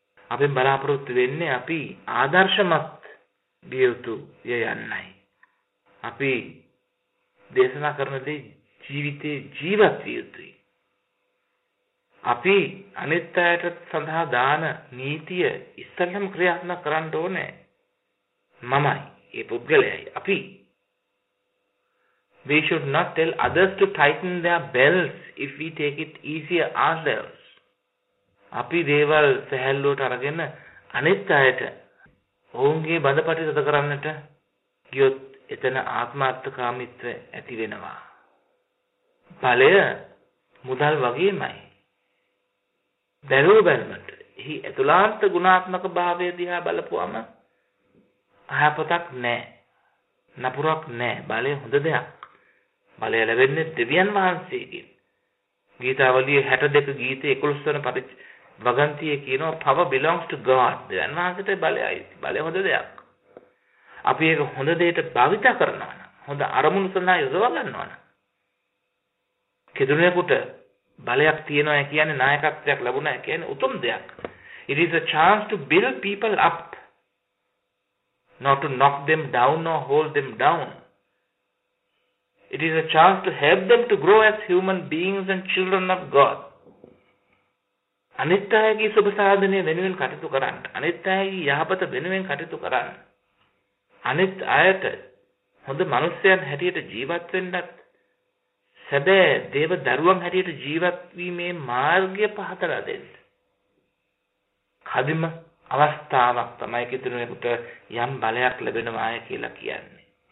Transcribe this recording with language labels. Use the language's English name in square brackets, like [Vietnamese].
[Sinhala] අපි බලාපොරොත්තු වෙන්නේ අපි ආදර්ශමත් විය යුතු යන්නයි. අපි දේශනා කරනදී ජීවිතේ ජීවත් විය යුතුයි. අපි අනිත් අයට සඳහා දාන නීතිය ඉස්සෙල්ලම ක්‍රියාත්මක කරන්න ඕනේ. මමයි ඒ පුද්ගලයයි අපි. [English] We should not tell others to tighten their belts if we take it easier ourselves. [Sinhala] අපි දේවල් සැහැල්ලුවට අරගෙන අනිත් අයට ඔවුන්ගේ බඳපටි සද කරන්නට ගියොත් එතන ආත්මార్థකාමීත්ව ඇති වෙනවා. බලය මුදල් වගේමයි. දැරුව බැලමට එහි ඇතුළාන්ත ගුණාත්මක භාවය දිහා බලපුවම අහපතක් නෑ, නපුරක් නෑ. බලය හොඳ දෙයක්. බලය ලැබෙන්නේ දෙවියන් වහන්සේගෙන්. ගීතාවලියේ 62 ගීතේ 11 වන වගන්තියේ කියනවා [English] power belongs to God. [Sinhala] දෙවියන් වහන්සේට බලයයි. බලය හොඳ දෙයක්. අපි ඒක හොඳ දෙයට භාවිතා කරනවා නම්, හොඳ අරමුණු සඳහා යොදවා ගන්නවනම් කෙදුණෙකුට බලයක් තියෙනවා කියන්නේ නායකත්වයක් ලැබුණා කියන්නේ උතුම් දෙයක්. [English] It is a chance to build people up, not to knock them down or hold them down. It is a chance to help them to grow as human beings and children of God. [Sinhala] අනිත් අයගේ සුබ සාධනය වෙනුවෙන් කටයුතු කරන්න, අනිත් අයගේ යහපත වෙනුවෙන් කටයුතු කරන්න, අනිත් අයට හොඳ මනුස්සයන් හැටියට ජීවත් වෙන්නත්, සැබෑ දේව දරුවන් හැටියට ජීවත් වීමේ මාර්ගය පහදලා දෙන්න කදිම අවස්ථාවක් තමයි කිතුනෙකුට යම් බලයක් ලැබෙනවාය කියලා කියන්නේ.